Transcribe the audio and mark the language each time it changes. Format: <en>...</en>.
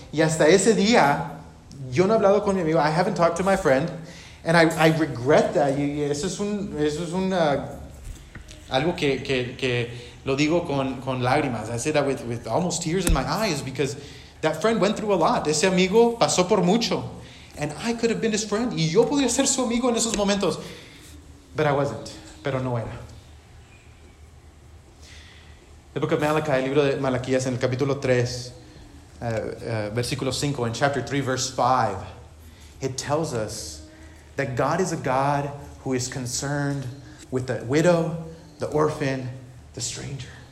<es>Y hasta ese día, yo no he hablado con mi amigo.</es> <en>I haven't talked to my friend, and I regret that.</en> <es>Y eso es una algo que lo digo con lágrimas.</es> <en>I say that with almost tears in my eyes, because that friend went through a lot.</en> <es>Ese amigo pasó por mucho.</es> <en>And I could have been his friend.</en> <es>Y yo podría ser su amigo en esos momentos.</es> <en>But I wasn't.</en> <es>Pero no era.</es> <en>The book of Malachi,</en> <es>el libro de Malaquías, en el capítulo 3, versículo 5,</es> <en>in chapter 3, verse 5, it tells us that God is a God who is concerned with the widow, the orphan, the stranger.</en>